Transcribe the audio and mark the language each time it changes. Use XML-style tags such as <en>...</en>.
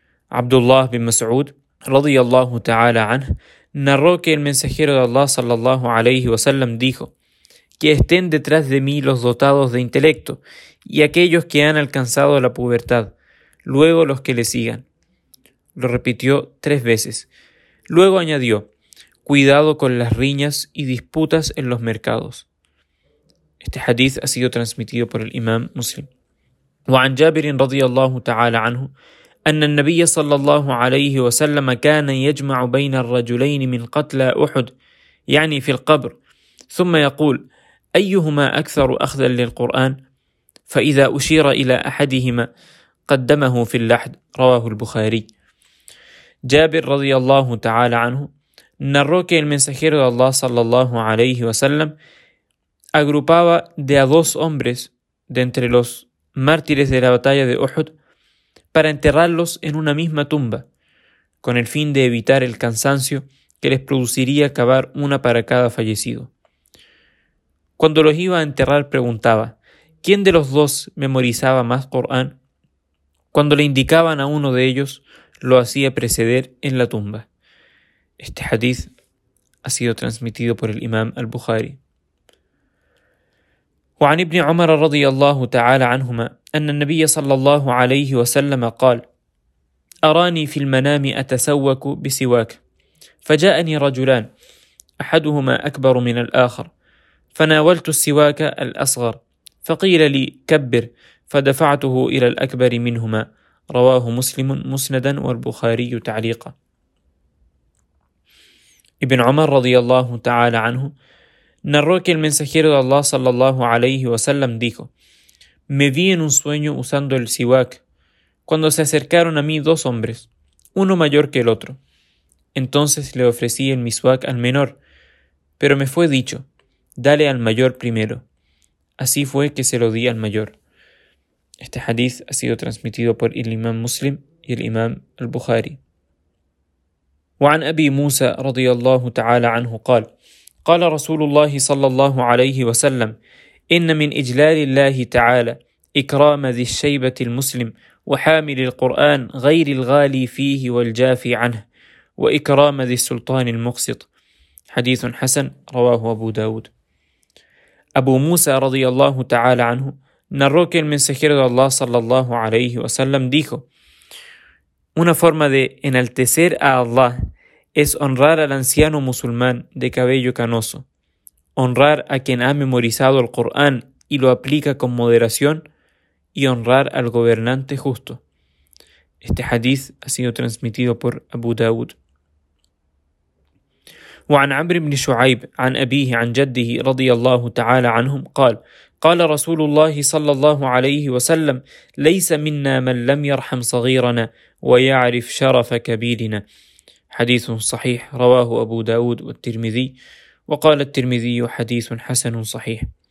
<es>عبد الله بن مسعود</es> <ar>رضي الله تعالى عنه</ar> <es>narró que el mensajero de Allah</es> <ar>صلى الله عليه وسلم</ar> <es>dijo que estén detrás de mí los dotados de intelecto y aquellos que han alcanzado la pubertad, luego los que le sigan. Lo repitió tres veces. Luego añadió, cuidado con las riñas y disputas en los mercados. Este hadith ha sido transmitido por el imam Muslim.</es> <ar>وعن جابر رضي الله تعالى عنه أن النبي صلى الله عليه وسلم كان يجمع بين الرجلين من قتلى أحد، يعني في القبر، ثم يقول: أيهما أكثر أخذا للقرآن؟ فإذا أشير إلى أحدهما قدمه في اللحد. رواه البخاري.</ar> <es>جابر</es> <ar>رضي الله تعالى عنه</ar> <es>narró que el mensajero de Allah</es> <ar>sallallahu alayhi wa sallam</ar> <es>agrupaba de a dos hombres de entre los mártires de la batalla de Uhud para enterrarlos en una misma tumba, con el fin de evitar el cansancio que les produciría cavar una para cada fallecido. Cuando los iba a enterrar, preguntaba: ¿quién de los dos memorizaba más Corán? Cuando le indicaban a uno de ellos, lo hacía preceder en la tumba. Este hadith ha sido transmitido por el Imam al-Bukhari.</es> <ar>وعن ابن عمر رضي الله تعالى عنهما أن النبي صلى الله عليه وسلم قال: أراني في المنام أتسوك بسواك، فجاءني رجلان أحدهما أكبر من الآخر، فناولت السواك الأصغر فقيل لي كبر، فدفعته إلى الأكبر منهما. رواه مسلم مسندا والبخاري تعليقا.</ar> <es>ابن عمر</es> <ar>رضي الله تعالى عنه</ar> <es>narró que el mensajero de Allah</es> <ar>sallallahu alayhi wa sallam</ar> <es>dijo: me vi en un sueño usando el siwak cuando se acercaron a mí dos hombres, uno mayor que el otro. Entonces le ofrecí el miswak al menor, pero me fue dicho: dale al mayor primero. Así fue que se lo di al mayor. Este hadith ha sido transmitido por el Imam Muslim y el Imam al-Bukhari.</es> <ar>وعن أبي موسى رضي الله تعالى عنه قال: قال رسول الله صلى الله عليه وسلم: إن من إجلال الله تعالى إكرام ذي الشيبة المسلم وحامل القرآن غير الغالي فيه والجافي عنه، وإكرام ذي السلطان المقسط. حديث حسن، رواه أبو داود.</ar> <es>أبو موسى</es> <ar>رضي الله تعالى عنه</ar> <es>narró que el mensajero de Allah</es> <ar>صلى الله عليه وسلم</ar> <es>dijo: una forma de enaltecer a Allah es honrar al anciano musulmán de cabello canoso, honrar a quien ha memorizado el Corán y lo aplica con moderación, y honrar al gobernante justo. Este hadith ha sido transmitido por Abu Dawud.</es> <ar>وعن عمرو بن شعيب عن أبيه عن جده رضي الله تعالى عنهم قال: قال رسول الله صلى الله عليه وسلم: ليس منا من لم يرحم صغيرنا ويعرف شرف كبيرنا. حديث صحيح، رواه أبو داود والترمذي، وقال الترمذي: حديث حسن صحيح.</ar>